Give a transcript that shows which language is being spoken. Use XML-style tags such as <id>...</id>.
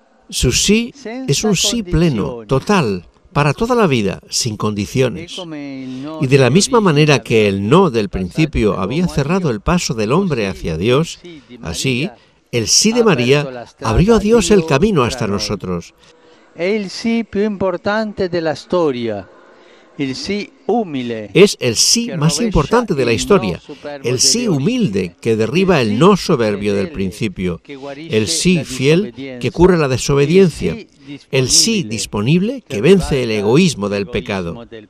<es>Su sí es un sí pleno, total, para toda la vida, sin condiciones. Y de la misma manera que el no del principio había cerrado el paso del hombre hacia Dios, así, el sí de María abrió a Dios el camino hasta nosotros.</es> <it>È il sì più importante della storia. Il sì umile.</it> <es>Es el sí más importante de la historia. El sí humilde que derriba el no soberbio del principio. El sí fiel que cura la desobediencia. El sí disponible que vence el egoísmo del pecado.</es>